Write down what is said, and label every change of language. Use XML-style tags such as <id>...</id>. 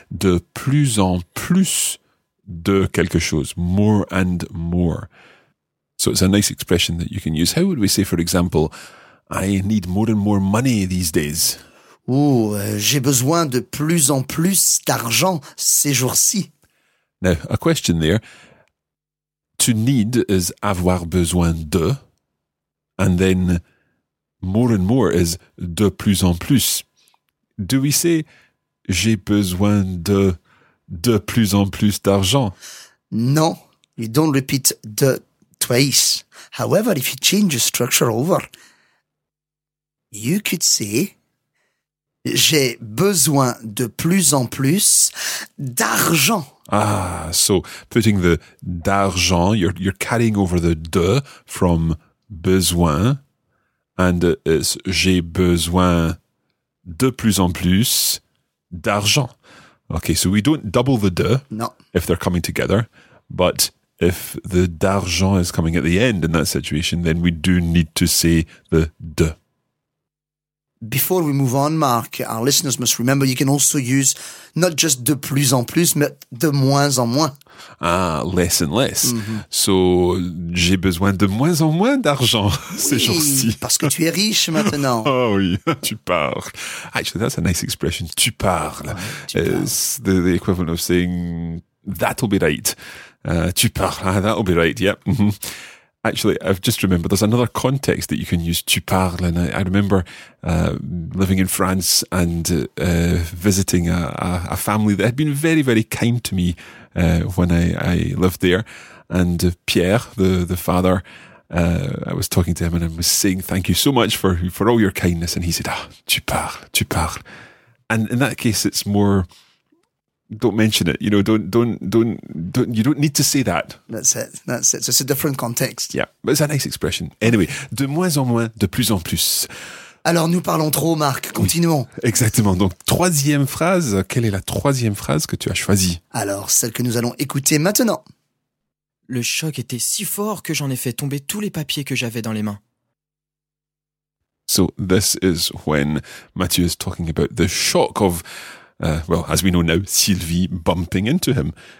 <fr>De plus en plus de quelque chose.</fr> <en>More and more. So it's a nice expression that you can use. How would we say, for example, I need more and more money these days?</en> <fr>Oh, j'ai besoin de plus en plus d'argent ces jours-ci.</fr> <en>Now, a question there. To need is</en> <fr>avoir besoin de,</fr> <en>and then more and more is</en> <fr>de plus en plus.</fr> <en>Do we say</en> <fr>j'ai besoin de plus en plus d'argent?</fr> <en>No, you don't repeat de twice. However, if you change the structure over, you could say</en> <fr>j'ai besoin de plus en plus d'argent.</fr> <en>Ah, so putting the d'argent, you're carrying over the de from besoin, and it's</en> <fr>j'ai besoin de plus en plus d'argent.</fr> <en>Okay, so we don't double the de. No. If they're coming together, but if the d'argent is coming at the end in that situation, then we do need to say the de. Before we move on, Mark, our listeners must remember you can also use not just</en> <fr>de plus en plus,</fr> <en>but</en> <fr>de moins en moins.</fr> <en>Ah, less and less. Mm-hmm.</en> <fr>So, j'ai besoin de moins en moins d'argent oui, ces jours-ci. Parce que tu es riche maintenant. Oh oui, tu parles.</fr> <en>Actually, that's a nice expression,</en> <fr>tu parles. Ouais, tu parles.</fr> <en>The equivalent of saying, that'll be right.</en> <fr>Tu parles,</fr> <en>ah, that'll be right, yep. Actually, I've just remembered, there's another context that you can use,</en> <fr>tu parles.</fr> <en>And I remember living in France and visiting a family that had been very, very kind to me when I lived there. And Pierre, the father, I was talking to him and I was saying, thank you so much for all your kindness. And he said,</en> <fr>ah, tu parles.</fr> <en>And in that case, it's more, don't mention it. You know, don't. You don't need to say that. That's it. So it's a different context. Yeah, but it's a nice expression. Anyway,</en> <fr>de moins en moins, de plus en plus. Alors, nous parlons trop, Marc. Continuons. Oui, exactement. Donc, troisième phrase. Quelle est la troisième phrase que tu as choisie? Alors, celle que nous allons écouter maintenant. Le choc était si fort que j'en ai fait tomber tous les papiers que j'avais dans les mains.</fr> <en>So this is when Mathieu is talking about the shock of. Well, as we know now, Sylvie bumping into him.</en>